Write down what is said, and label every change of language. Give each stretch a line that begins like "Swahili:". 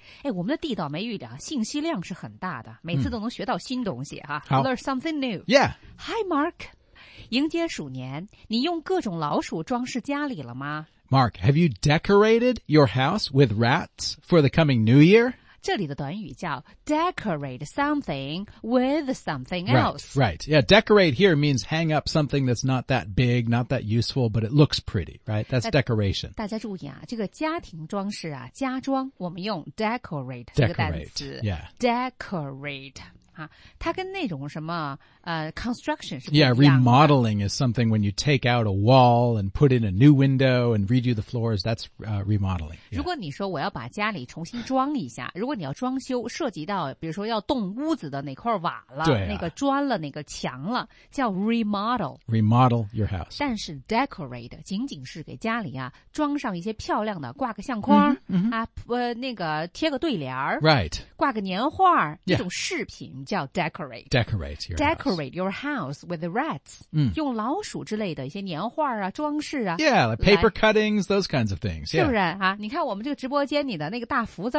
Chinese: 哎，我们的地道美语的信息量是很大的，每次都能学到新东西哈。好
English: ，learn something new. Yeah. Hi, Mark.
Chinese: 迎接鼠年，你用各种老鼠装饰家里了吗
English: ？Mark, have you decorated your house with rats for the coming New Year?
Chinese: 这里的短语叫
English: decorate something with something else. Right, right. Yeah, decorate here means hang up something that's not that big, not that useful, but it looks pretty, right? That's decoration.
Chinese: 大家注意啊，这个家庭装饰啊，家装，我们用 decorate 这个单词。
English: Decorate, yeah. Decorate.
Chinese: 它跟那种什么construction 是不一样的。
English: Yeah, remodeling is something when you take out a wall and put in a new window and redo the floors. That's remodeling. Yeah.
Chinese: 如果你说我要把家里重新装一下，如果你要装修，涉及到比如说要动屋子的哪块瓦了，对啊、那个砖了，那个墙了，叫 remodel.
English: Remodel your house.
Chinese: 但是 decorate 仅仅是给家里啊装上一些漂亮的，挂个相框、那个贴个对联
English: right?
Chinese: 挂个年画，这种饰品叫 decorate.
English: Decorate your house. Decorate your house with rats.、嗯、
Chinese: 用老鼠之类的一些年画啊装饰啊。
English: Yeah, like paper cuttings, those kinds of things.、Yeah.
Chinese: 是不是啊你看我们这个直播间里的那个大福字。